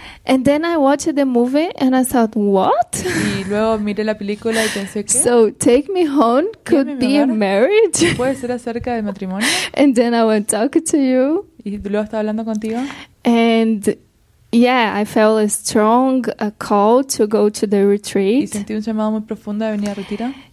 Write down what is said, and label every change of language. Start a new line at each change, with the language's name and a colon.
English: And then I watched the movie and I thought, what?
Spanish: Y luego miré la película y pensé, ¿qué?
English: So take me home could be a marriage.
Spanish: Puede ser acerca del matrimonio.
English: And then I would talk to you.
Spanish: Y luego estaba hablando contigo.
English: And yeah, I felt a strong call to go to the retreat.
Spanish: Y sentí un llamado muy profundo de venir a retiro.